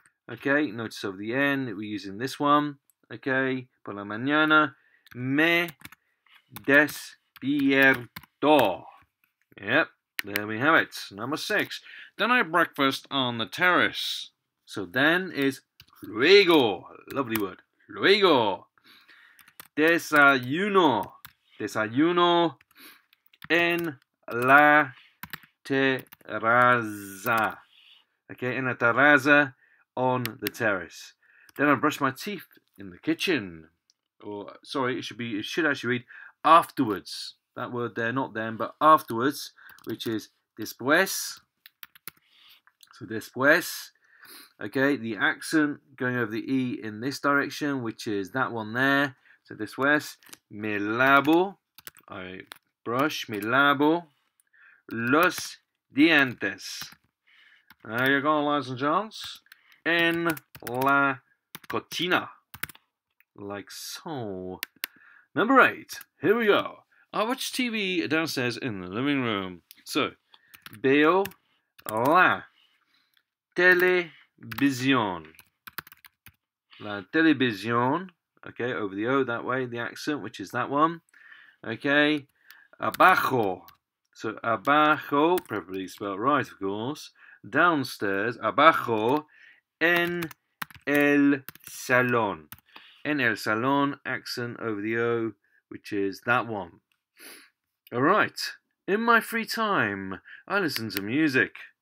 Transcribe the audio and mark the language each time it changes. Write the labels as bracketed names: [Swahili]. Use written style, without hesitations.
[English] Okay, notice of the end, we're using this one. [Spanish] Okay, por la mañana, me despierto. [English] Yep, there we have it. Number six. Then I breakfast on the terrace. So then is luego. Lovely word. Luego. [Spanish] Desayuno. Desayuno en la terraza. Okay, en la terraza on the terrace. [English] Then I brush my teeth in the kitchen. Or, sorry, it should actually read afterwards, that word there, not then, but afterwards, which is después. So después, okay, the accent going over the E in this direction, which is that one there. [Spanish] So después, me lavo, [English] I brush, [Spanish] me lavo, los dientes. [English] There you go, ladies and gents. [Spanish] En la cocina, [English] like so. Number eight, here we go. I watch TV downstairs in the living room. [Spanish] So, veo la televisión. La televisión, [English] okay, over the O that way, the accent, which is that one. Okay, abajo. So, abajo, preferably spelled right, of course. [Spanish] Downstairs, abajo, en el salón. En el salón, [English] accent over the O, which is that one. All right. In my free time, I listen to music.